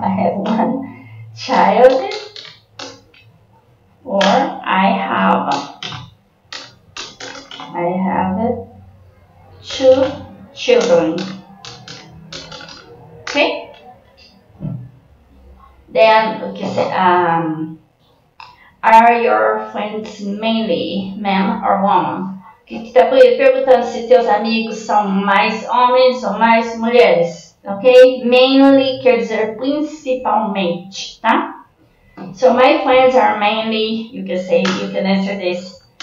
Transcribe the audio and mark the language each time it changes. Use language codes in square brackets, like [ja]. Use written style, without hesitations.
[en] I have one child, or I have two children, okay? Then, you can say, are your friends mainly men or women? [pt] Que está perguntando se teus amigos são mais homens ou mais mulheres, ok? Mainly quer dizer principalmente, tá? [en] So my friends are mainly, you can say, you can answer this.